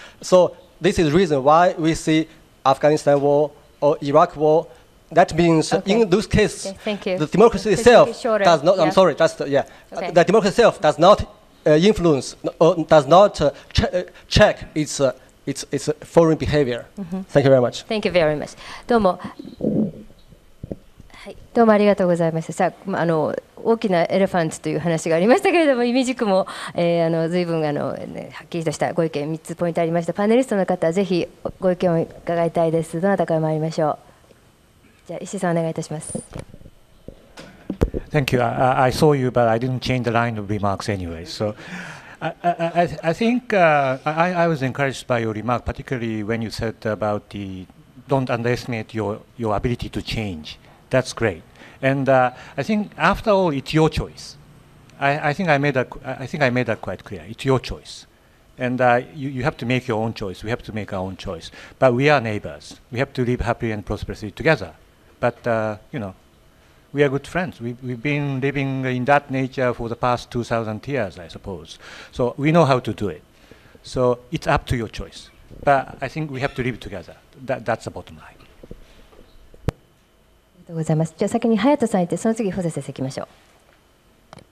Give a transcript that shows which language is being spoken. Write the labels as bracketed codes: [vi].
[en] So this is the reason why we see Afghanistan war or Iraq war. That means in those cases, the democracy itself does not, the democracy itself does not influence or does not check its foreign behavior. Mm-hmm. Thank you very much. Thank you very much. [ja] どうも。はい、どうもありがとうございました。さあ、大きなエレファントという話がありましたけれども、イミジクも、随分はっきりとしたご意見、3つポイントありました。パネリストの方、ぜひご意見を伺いたいです。どなたから参りましょう。じゃあ、石井さん、お願いいたします。 [en] Thank you. I saw you, but I didn't change the line of remarks anyway. So I think I was encouraged by your remark, particularly when you said about the don't underestimate your ability to change. That's great. And I think after all, it's your choice. I think I made that quite clear. It's your choice. And you have to make your own choice. We have to make our own choice. But we are neighbors. We have to live happily and prosperously together. But, you know, we are good friends. We've been living in that nature for the past 2,000 years, I suppose. So we know how to do it. So it's up to your choice. But I think we have to live together. That's the bottom line. [ja] ありがとうございます。じゃあ先に隼人さん行って、その次、保瀬先生いきましょう。